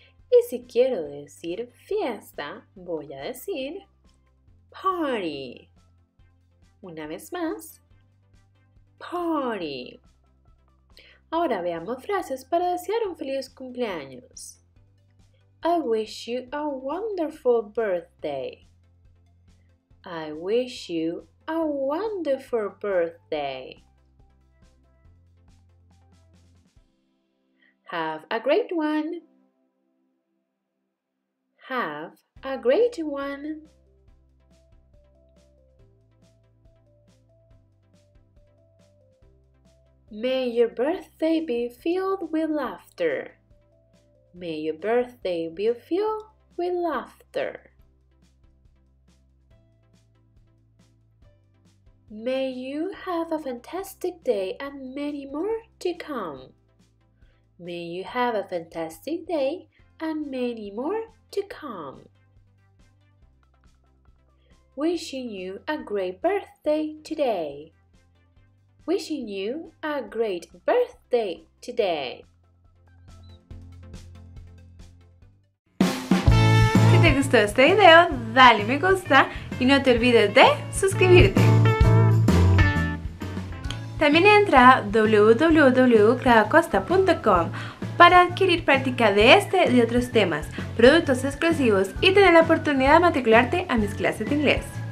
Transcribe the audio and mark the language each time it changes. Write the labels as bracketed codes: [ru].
[es] Y si quiero decir fiesta, voy a decir party. Una vez más, party. Ahora veamos frases para desear un feliz cumpleaños. [en] I wish you a wonderful birthday. I wish you a wonderful birthday. Have a great one. Have a great one. May your birthday be filled with laughter. May your birthday be filled with laughter. May you have a fantastic day and many more to come. May you have a fantastic day and many more to come. Wishing you a great birthday today. Wishing you a great birthday today. [es] Si te gustó este video, dale me gusta y no te olvides de suscribirte. También entra a www.gradacosta.com para adquirir práctica de este y de otros temas, productos exclusivos y tener la oportunidad de matricularte a mis clases de inglés.